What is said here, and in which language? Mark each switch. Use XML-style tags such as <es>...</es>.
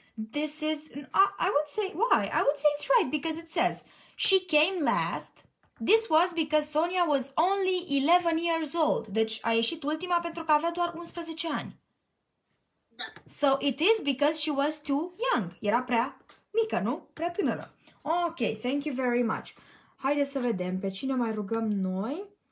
<en>This is, I would say, why? I would say it's right because it says she came last. This was because Sonia was only 11 years old.</en> <ro>Deci a ieșit ultima pentru că avea doar 11 ani. Da.</ro> <en>So it is because she was too young.</en> <ro>Era prea mică, nu? Prea tânără.</ro> <en>Ok, thank you very much.</en> <ro>Haideți să vedem pe cine mai rugăm noi.</ro>